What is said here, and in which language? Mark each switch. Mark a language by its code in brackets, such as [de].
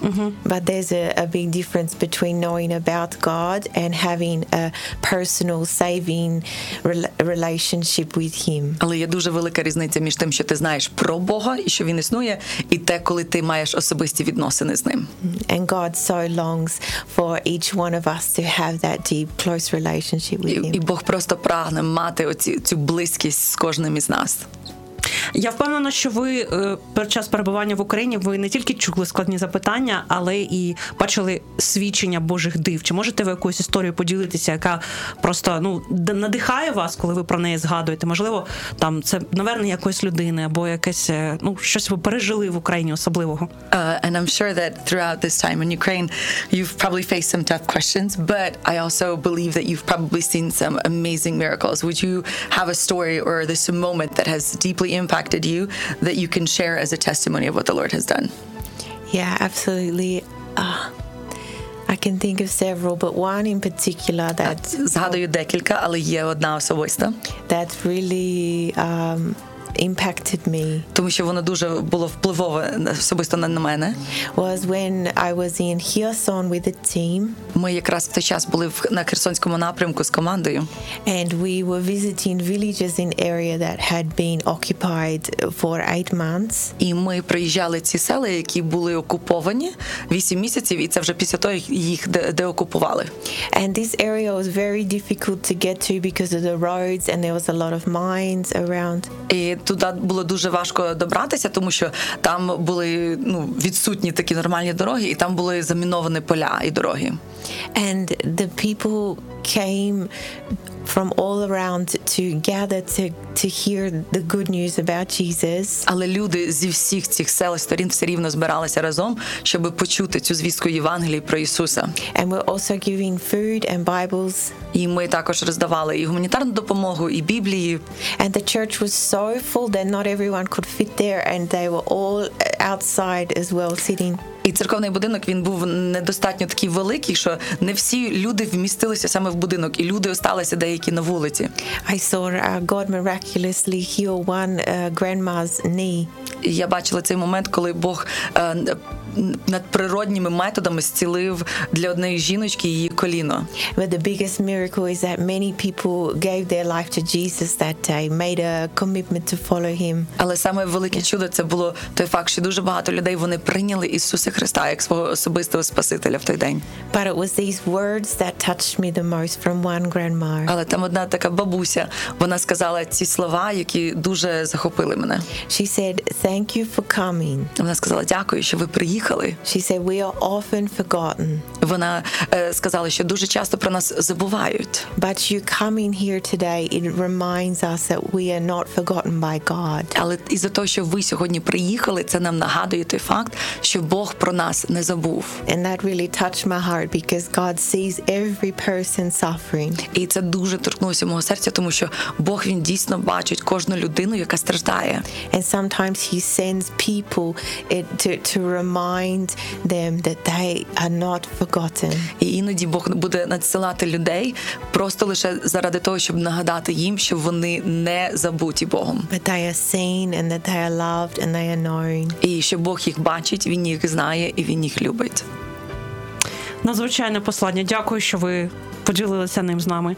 [en] Mm-hmm. But there's a big difference between knowing about God and having a personal saving relationship with him. [uk] Але є дуже велика різниця між тим, що ти знаєш про Бога і що він існує, і те, коли ти маєш особисті відносини з ним. [en] And God so longs for each one of us to have that deep close relationship with him. [uk] І Бог просто прагне мати цю близькість з кожним із нас. Я впевнена, що ви під час перебування в Україні ви не тільки чули складні запитання, але і бачили свідчення Божих див. Чи можете ви якусь історію поділитися, яка просто, ну, надихає вас, коли ви про неї згадуєте? Можливо, там це наверно якоїсь людини або якесь, ну, щось ви пережили в Україні особливого? [en] And I'm sure that throughout this time in Ukraine you've probably faced some tough questions, but I also believe that you've probably seen some amazing miracles. Would you have a story or this moment that has deeply impacted you that you can share as a testimony of what the Lord has done? Yeah, absolutely. I can think of several, but one in particular that [uk] згадую декілька, але є одна особиста. [en] That really impacted me. [uk] Тому що воно дуже було впливове особисто на мене. [en] Was when I was in Kherson with a team. [uk] Ми якраз в той час були на Херсонському напрямку з командою. [en] And we were visiting villages in area that had been occupied for 8 months. [uk] І ми приїжджали ці села, які були окуповані 8 місяців, і це вже після того їх деокупували. [en] And this area was very difficult to get to because of the roads and there was a lot of mines around. [uk] Туди було дуже важко добратися, тому що там були, ну, відсутні такі нормальні дороги, і там були заміновані поля і дороги. [en] And the people came from all around to gather to hear the good news about Jesus. [uk] Але люди зі всіх цих селищ, сторін все рівно збиралися разом, щоб почути цю звістку Євангелії про Ісуса. [en] And we're also giving food and Bibles. [uk] І ми також роздавали і гуманітарну допомогу, і Біблії. [en] And the church was so full that not everyone could fit there, and they were all outside as well sitting. [uk] І церковний будинок, він був недостатньо такий великий, що не всі люди вмістилися саме в будинок, і люди осталися деякі на вулиці. [en] I saw God miraculously heal one grandma's knee. [uk] Я бачила цей момент, коли Бог надприродніми методами зцілив для однієї жіночки її коліно. [en] But the biggest miracle is that many people gave their life to Jesus that day, made a commitment to follow him. [uk] Але саме велике чудо це було той факт, що дуже багато людей вони прийняли Ісуса Христа як свого особистого Спасителя в той день. [en] But it was these words that touched me the most from one grandma. [uk] Але там одна така бабуся, вона сказала ці слова, які дуже захопили мене. [en] She said, "Thank you for coming." [uk] Вона сказала: "Дякую, що ви приїхали." [en] She said, "We are often forgotten." [uk] Вона сказала, що дуже часто про нас забувають. [en] But you coming here today, it reminds us that we are not forgotten by God. [uk] Але із-за того, що ви сьогодні приїхали, це нам нагадує той факт, що Бог про нас не забув. [en] And that really touched my heart because God sees every person suffering. [uk] І це дуже торкнулося мого серця, тому що Бог, він дійсно бачить кожну людину, яка страждає. [en] And sometimes he sends people to remind them that they are not forgotten. [uk] І іноді Бог буде надсилати людей просто лише заради того, щоб нагадати їм, що вони не забуті Богом. [en] But they are seen and that they are loved and they are known. [uk] І що Бог їх бачить, він їх знає і він їх любить. Надзвичайне послання. Дякую, що ви поділилися ним з нами.